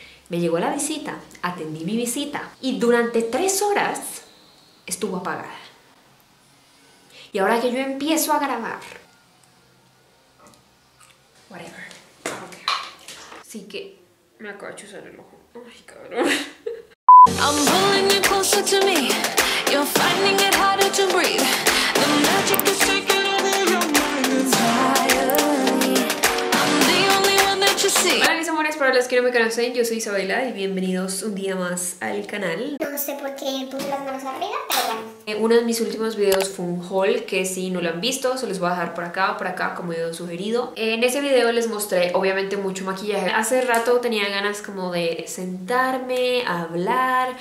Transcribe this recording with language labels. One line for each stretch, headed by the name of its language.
Spanish: Me llegó la visita, atendí mi visita y durante tres horas estuvo apagada. Y ahora que yo empiezo a grabar...
English: Whatever. Okay.
Spanish: Así que me acabo de chuzar el ojo. Ay, cabrón.
English: I'm pulling you closer to me. You're finding it harder to breathe. The magic is taking over your mind entirely. I'm the only one that you see.
Spanish: Hola mis amores, para los que no me conocen, yo soy Isabela y bienvenidos un día más al canal. No sé por qué puse las manos arriba, pero bueno. Uno de mis últimos videos fue un haul que si no lo han visto, se los voy a dejar por acá, como yo he sugerido. En ese video les mostré, obviamente, mucho maquillaje. Hace rato tenía ganas como de sentarme, hablar.